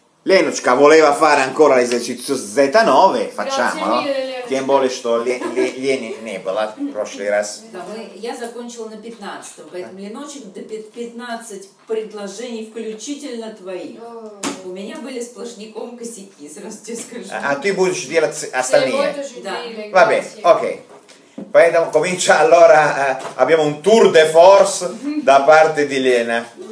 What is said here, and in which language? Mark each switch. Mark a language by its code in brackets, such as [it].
[it] Lenuchka voleva fare ancora l'esercizio Z9, facciamolo. Grazie mille, Lenuchka. [ru] Тем более, что Лени не было в прошлый раз. Я закончила на 15-м, поэтому, Леночек, до 15 предложений, включительно твои. У меня были сплошняком косяки, сразу тебе скажу. А ты будешь делать остальные? Да. Окей. Поэтому, [it] comincia allora, abbiamo un tour de force da parte di Lена.